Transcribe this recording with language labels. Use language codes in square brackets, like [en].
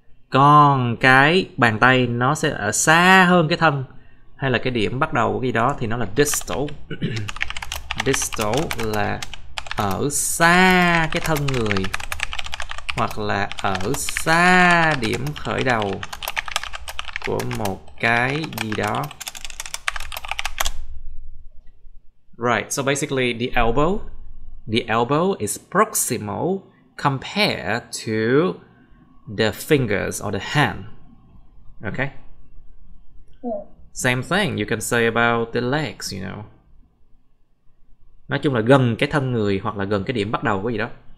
[vi] Còn cái bàn tay nó sẽ ở xa hơn cái thân, hay là cái điểm bắt đầu của cái gì đó, thì nó là distal. Distal là ở xa cái thân người, hoặc là ở xa điểm khởi đầu của một cái gì đó. [en] Right, so basically the elbow is proximal compared to the fingers or the hand. Okay? Yeah. Same thing you can say about the legs, you know. [vi] Nói chung là gần cái thân người hoặc là gần cái điểm bắt đầu của gì đó.